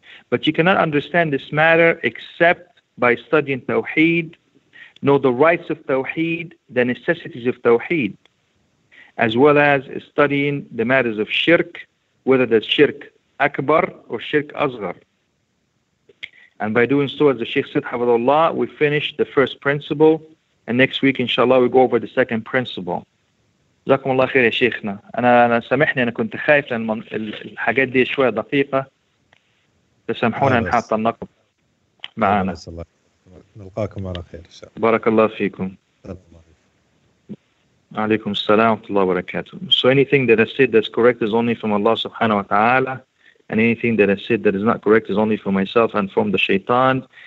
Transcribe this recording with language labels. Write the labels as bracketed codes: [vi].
[en] But you cannot understand this matter except by studying tawheed, know the rights of tawheed, the necessities of tawheed, as well as studying the matters of shirk, whether that's shirk akbar or shirk asghar. And by doing so, as the Sheikh said, Hafizahullah, we finish the first principle, and next week, inshallah, we go over the second principle. [ar] جزاكم الله خير يا شيخنا. أنا سامحني أنا كنت خايف لأن الحاجات دي شوية دقيقة. تسامحونا إن حاط النقب معنا. نلقاكم على خير إن شاء الله. بارك الله فيكم. عليكم السلام ورحمة الله وبركاته. [en] So anything that I said that's correct is only from Allah subhanahu wa ta'ala. And anything that I said that is not correct is only for myself and from the shaitan.